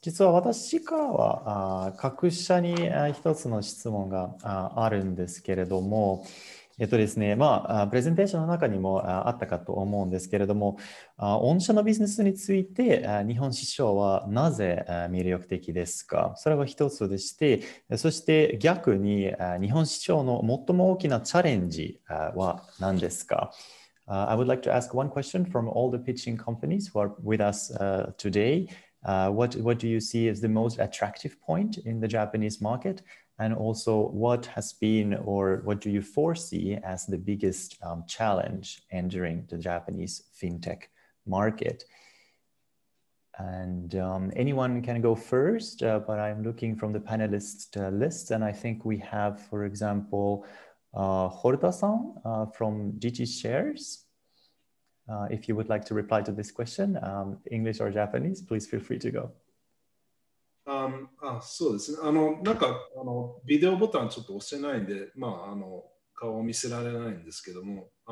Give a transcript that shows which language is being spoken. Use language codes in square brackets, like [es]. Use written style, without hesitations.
[ja] 実は私からは各社に一つの質問があるんですけれども、ですね、まあプレゼンテーションの中にもあったかと思うんですけれども、御社のビジネスについて日本市場はなぜ魅力的ですか？それは一つでして、そして逆に日本市場の最も大きなチャレンジは何ですか？ [en] I would like to ask one question from all the pitching companies who are with us today. What do you see as the most attractive point in the Japanese market? And also, what has been or what do you foresee as the biggest challenge entering the Japanese fintech market? And anyone can go first, but I'm looking from the panelists' list, and I think we have, for example,Horta-san from Digi Shares. If you would like to reply to this question, English or Japanese, please feel free to go. [ja] そうですね。なんかビデオボタンちょっと押せないんで、まあ顔を見せられないんですけども、